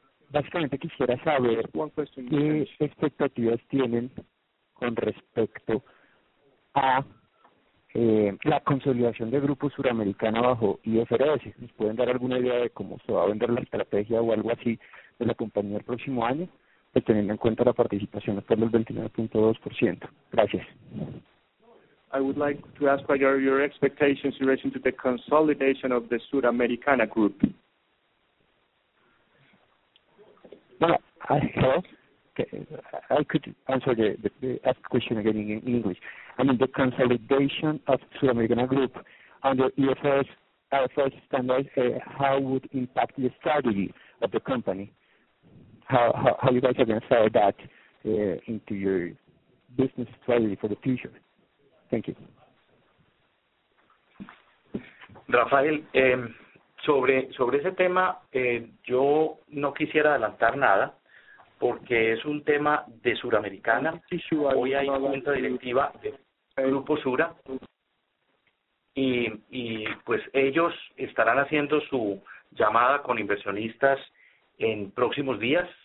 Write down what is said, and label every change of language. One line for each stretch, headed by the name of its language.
Spanish: Básicamente quisiera saber qué expectativas tienen con respecto a la consolidación de Grupo Suramericana bajo IFRS. ¿Nos pueden dar alguna idea de cómo se va a vender la estrategia o algo así de la compañía el próximo año? Pues teniendo en cuenta la participación hasta el 29.2%. Gracias.
English: I would like to ask what are your expectations in relation to the consolidation of the Suramericana Group. Well, I thought I could answer the ask question again in English. I mean, the consolidation of Suramericana Group under IFRS standards, how would impact the strategy of the company? How you guys are going to sell that into your business strategy for the future? Thank you.
Spanish: Rafael, sobre ese tema, yo no quisiera adelantar nada porque es un tema de Suramericana. Hoy hay junta directiva de Grupo Sura y pues ellos estarán haciendo su llamada con inversionistas en próximos días.